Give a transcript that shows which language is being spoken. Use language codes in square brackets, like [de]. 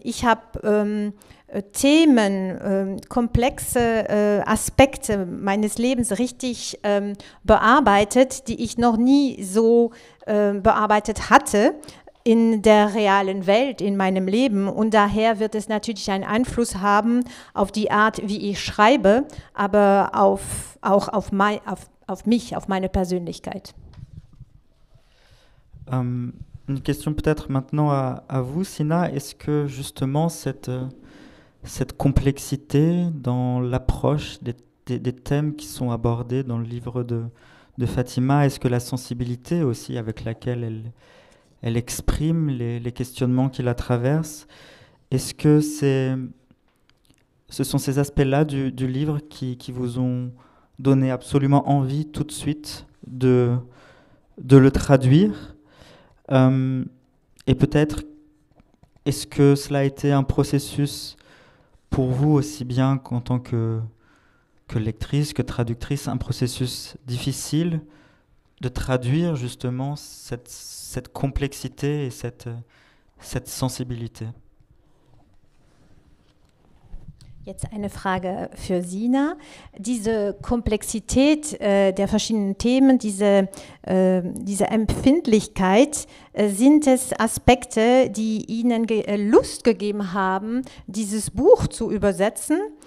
[de] Ich habe Themen, komplexe Aspekte meines Lebens richtig bearbeitet, die ich noch nie so bearbeitet hatte in der realen Welt, in meinem Leben. Und daher wird es natürlich einen Einfluss haben auf die Art, wie ich schreibe, aber auf mich, auf meine Persönlichkeit. [fr] Une question peut-être maintenant à vous, Sina. Est-ce que justement cette complexité dans l'approche des thèmes qui sont abordés dans le livre de Fatima, est-ce que la sensibilité aussi avec laquelle elle exprime les questionnements qui la traversent, est-ce que ce sont ces aspects-là du livre qui vous ont donné absolument envie tout de suite de le traduire? Et peut-être, est-ce que cela a été un processus pour vous aussi bien qu'en tant que lectrice, que traductrice, un processus difficile de traduire justement cette complexité et cette sensibilité? [de] Jetzt eine Frage für Sina. Diese Komplexität der verschiedenen Themen, diese Empfindlichkeit, sind es Aspekte, die Ihnen Lust gegeben haben, dieses Buch zu übersetzen?